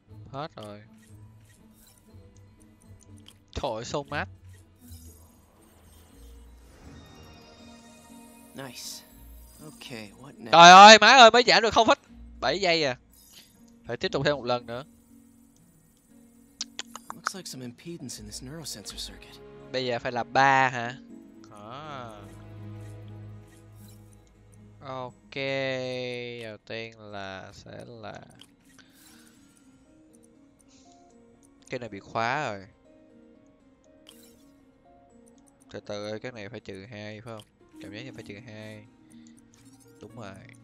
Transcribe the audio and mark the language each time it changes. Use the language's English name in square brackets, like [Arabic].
[Vietnamese] Hết rồi. Thổi sâu mát. [English] Nice. Okay, what next? [Vietnamese] Trời ơi, má ơi, mới giảm được 0.7 giây à. Phải tiếp tục thêm một lần nữa. [English] Looks like some impedance in this neurosensor circuit. [Vietnamese] Bây giờ phải là 3 hả? À. Ok, đầu tiên là sẽ là cái này bị khóa rồi. Từ từ ơi, cái này phải trừ 2 phải không? Cảm giác như phải trừ 2. Đúng rồi.